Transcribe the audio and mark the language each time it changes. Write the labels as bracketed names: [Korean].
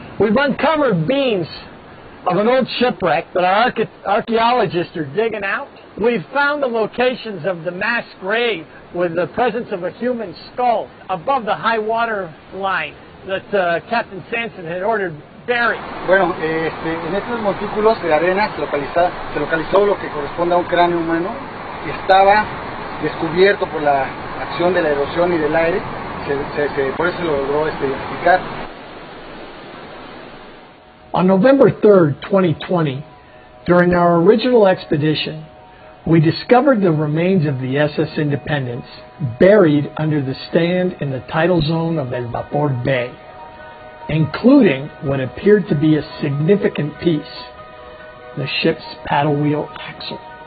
[English] We've uncovered beams of an old shipwreck that our archaeologists are digging out. We've found the locations of the mass grave with the presence of a human skull above the high water line that Captain Sampson had ordered buried. [Spanish] Bueno, este, en estos montículos de arena se localizó lo que corresponde a un cráneo humano que estaba descubierto por la acción de la erosión y del aire que por eso lo logró identificar. [English] On November 3rd, 2020, during our original expedition, we discovered the remains of the SS Independence buried under the sand in the tidal zone of El Vapor Bay, including what appeared to be a significant piece, the ship's paddle wheel axle.